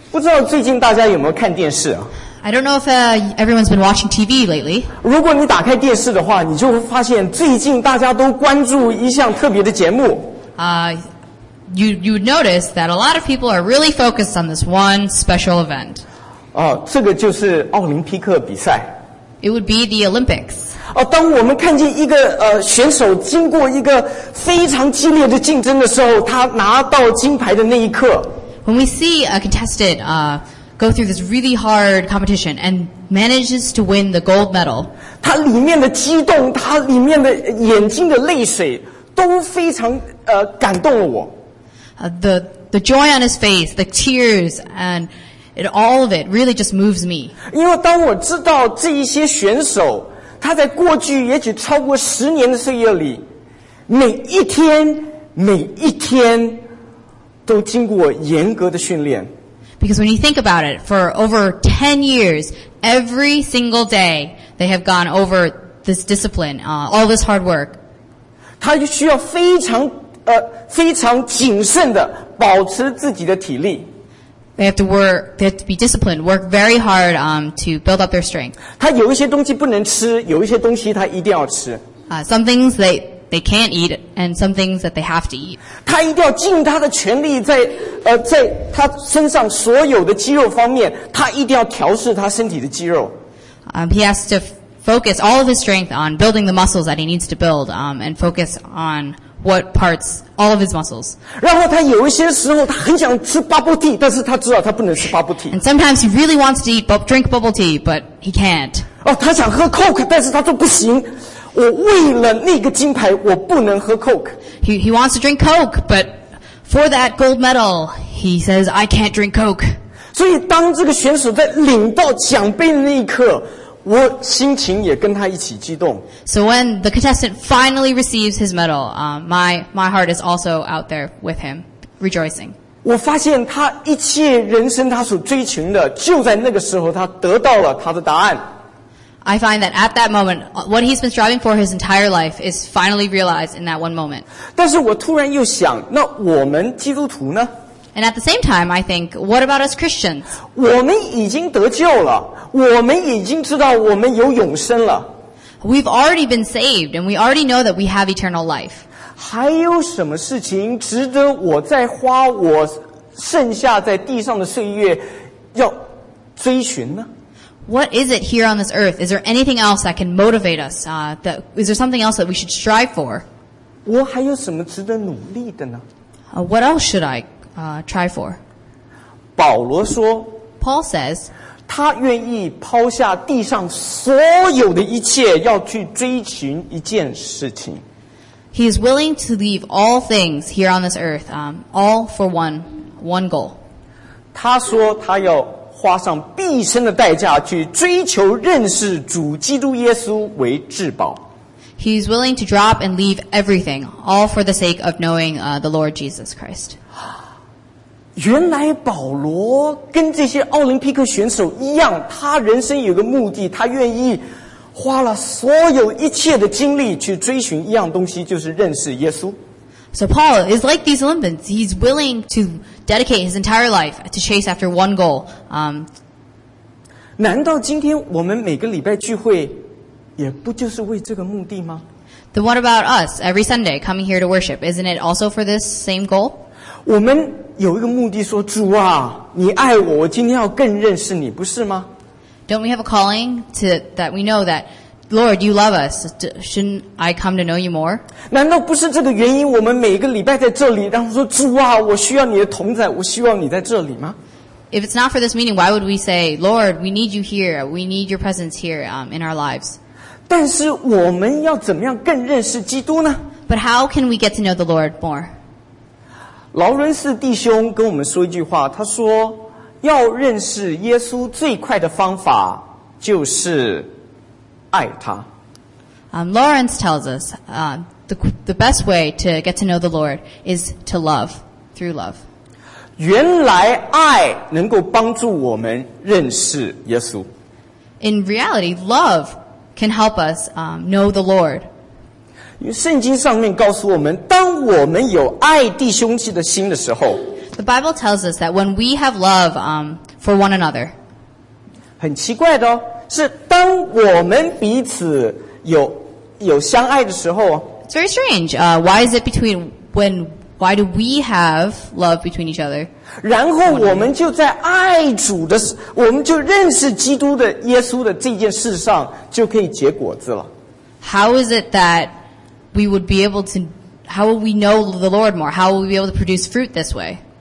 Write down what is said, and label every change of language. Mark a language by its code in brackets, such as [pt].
[zh] 不知道最近大家有没有看电视啊？ [en] I don't know if everyone's been watching TV lately. [zh] 如果你打开电视的话，你就会发现最近大家都关注一项特别的节目。 [en] You notice that a lot of people are really focused on this one special event. [zh] 这个就是奥林匹克比赛。 [en] It would be the Olympics. [zh] 当我们看见一个选手经过一个非常激烈的竞争的时候，他拿到金牌的那一刻。 [en] When we see a contestant, go through this really hard competition and manages to win the gold medal. [zh] 他里面的激动，他里面的眼睛的泪水都非常感动了我。 [en] The joy on his face, the tears, and all of it really just moves me. [zh] 因为当我知道这一些选手，他在过去也许超过十年的岁月里，每一天每一天都经过严格的训练。 [en] Because when you think about it, for over 10 years, every single day, they have gone over this discipline, all this hard work. [zh] 他需要非常谨慎地保持自己的体力。 [en] They have to be disciplined, work very hard, to build up their strength. [zh] 他有一些东西不能吃，有一些东西他一定要吃。 [en] Some things they can't eat, and some things that they have to eat. [zh] 他一定要尽他的全力在在他身上所有的肌肉方面，他一定要调试他身体的肌肉。 [en] He has to focus all of his strength on building the muscles that he needs to build, and focus on what parts, all of his muscles. [zh] 然后他有一些时候他很想吃 bubble tea, 但是他知道他不能吃 bubble tea. [en] And sometimes he really wants to drink bubble tea, but he can't. [zh] 他想喝 coke, 但是他说不行。我为了那个金牌，我不能喝 coke. [en] He wants to drink coke, but for that gold medal, he says, I can't drink coke. [zh] 所以当这个选手在领到奖杯的那一刻，我心情也跟他一起激动。 [en] So when the contestant finally receives his medal, my heart is also out there with him, rejoicing. [zh] 我发现他一切人生他所追寻的，就在那个时候他得到了他的答案。 [en] I find that at that moment, what he's been striving for his entire life is finally realized in that one moment. [zh] 但是我突然又想，那我们基督徒呢？ [en] And at the same time, I think, what about us Christians? [zh] 我们已经得救了，我们已经知道我们有永生了。 [en] We've already been saved, and we already know that we have eternal life. [zh] 还有什么事情值得我再花我剩下在地上的岁月要追寻呢？ [en] What is it here on this earth? Is there anything else that can motivate us? Is there something else that we should strive for? [zh] 我还有什么值得努力的呢？ [en] What else should I try for? [zh] 保罗说， [en] Paul says, [zh] 他愿意抛下地上所有的一切，要去追寻一件事情。 [en] He is willing to leave all things here on this earth, all for one goal. [zh] 他说他要花上毕生的代价去追求认识主基督耶稣为至宝。 [en] He is willing to drop and leave everything, all for the sake of knowing the Lord Jesus Christ. [zh] 原来保罗跟这些奥林匹克选手一样，他人生有个目的，他愿意花了所有一切的精力去追寻一样东西，就是认识耶稣。 [en] So Paul is like these Olympians. He's willing to dedicate his entire life to chase after one goal. [zh] 难道今天我们每个礼拜聚会也不就是为这个目的吗？ [en] Then what about us? Every Sunday coming here to worship, isn't it also for this same goal? [zh] 我们有一个目的说，主啊，你爱我，我今天要更认识你，不是吗？ [en] Don't we have a calling to that we know that Lord, you love us. Shouldn't I come to know you more? [zh] 难道不是这个原因我们每个礼拜在这里，然后说主啊，我需要你的同在，我希望你在这里吗？ [en] If it's not for this meeting, why would we say, Lord, we need you here. We need your presence here, in our lives. [zh] 但是我们要怎么样更认识基督呢？ [en] But how can we get to know the Lord more? [zh] 劳伦斯弟兄跟我们说一句话，他说要认识耶稣最快的方法就是爱他。 [en] Lawrence tells us, the best way to get to know the Lord is to love, through love. [zh] 原来爱能够帮助我们认识耶稣。 [en] In reality, love can help us, know the Lord. [zh] 圣经上面告诉我们，当我们有爱弟兄的心的时候， [en] The Bible tells us that when we have love for one another, [zh] 很奇怪的哦, 是当我们彼此有相爱的时候, [en] it's very strange. Why is it between when? Why do we have love between each other? [zh] 然后我们就在爱主的, 我们就认识基督的, 耶稣的这件事上, 就可以结果子了。 [en] How is it that we would be able to, how will we know the Lord more? How will we be able to produce fruit this way?